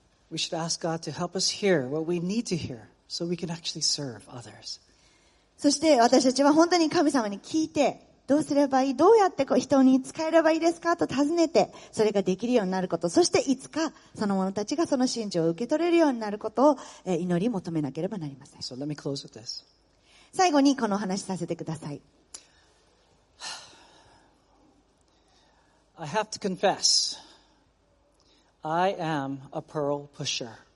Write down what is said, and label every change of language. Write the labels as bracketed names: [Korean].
[English] We should ask God to help us hear what we need to hear so we can actually serve others. [Japanese] そして私たちは本当に神様に聞いてどうすればいい、どうやって人に使えればいいですかと尋ねて、それができるようになること、そしていつかその者たちがその真珠を受け取れるようになることを祈り求めなければなりません。 [English] So、let me close with this. [Japanese] 最後にこの話させてください。 [English] I have to confess, I am a pearl pusher.